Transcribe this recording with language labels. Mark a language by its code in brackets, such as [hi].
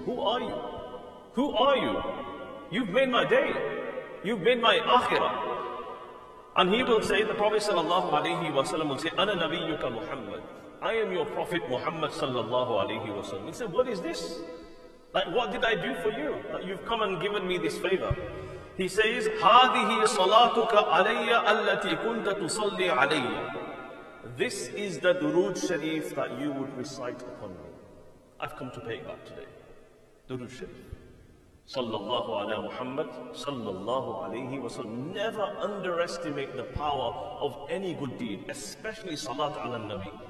[en] Who are you? Who are you? You've made my day. You've made my akhirah. And he will say, the Prophet sallallahu alayhi wa sallam will say, [ar] ana nabiyyuka Muhammad. [en] I am your Prophet Muhammad sallallahu alayhi wa sallam. He said, what is this? Like, what did I do for you that you've come and given me this favor? He says, [ar] هذه صلاتك علي التي كنت تصلي علي. [en] This is the Durood Sharif that you would recite upon me. I've come to pay back today. Durood Sharif. Sallallahu ala Muhammad sallallahu alayhi wa sallam. Never underestimate the power of any good deed, especially Salat ala Nabi.